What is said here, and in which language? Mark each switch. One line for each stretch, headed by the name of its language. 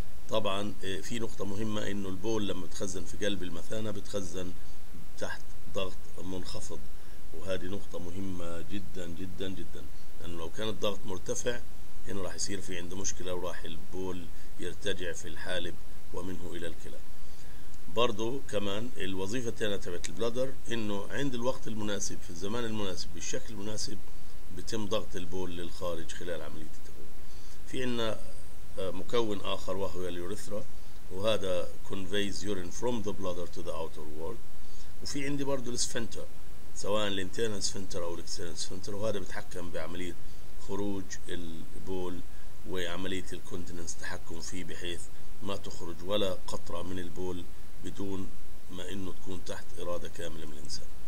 Arabic: طبعا في نقطة مهمة، إنه البول لما بتخزن في قلب المثانة بتخزن تحت ضغط منخفض، وهذه نقطة مهمة جدا جدا جدا، لأنه لو كان الضغط مرتفع هنا راح يصير في عنده مشكلة، وراح البول يرتجع في الحالب ومنه إلى الكلى. برضو كمان الوظيفة الثانية تبعت البلادر إنه عند الوقت المناسب في الزمان المناسب بالشكل المناسب بتم ضغط البول للخارج خلال عملية التبول. في عنا مكون آخر وهو اليوريثرا، وهذا
English: conveys urine from the bladder to the outer world.
Arabic: وفي عندي برضو السفنتر، سواء الانترنال سفنتر او الاكسترنال سفنتر، وهذا بتحكم بعملية خروج البول وعملية الكونتيننس، تحكم فيه بحيث ما تخرج ولا قطرة من البول بدون ما انه تكون تحت ارادة كاملة من الانسان.